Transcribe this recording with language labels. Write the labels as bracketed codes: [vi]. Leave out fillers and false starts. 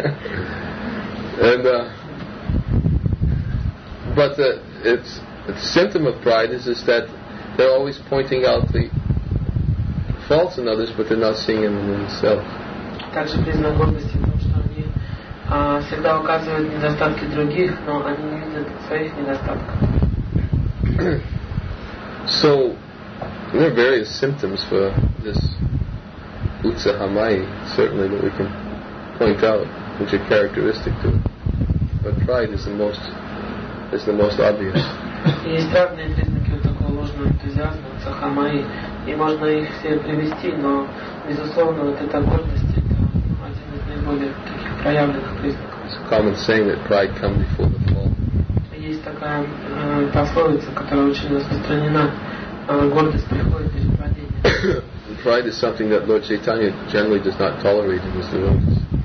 [en] And but the symptom of pride is that they're always pointing out the faults in others, but they're not seeing them in themselves. [ru] Также признак гордости в том, что они всегда указывают недостатки других, но они не видят своих недостатков. [en] So there are various symptoms for this utsahamai, certainly, that we can point out, which are characteristic to it. But pride is the most obvious. [ru] Есть разные признаки такого ложного энтузиазма, утсахамай, и можно их все привести, но, безусловно, вот эта гордость — это один из наиболее таких проявленных признаков. [en] It's a common saying that pride comes before the fall. [ru] Есть такая пословица, которая очень распространена. [en] Pride is something that Lord Chaitanya generally does not tolerate in his devotees.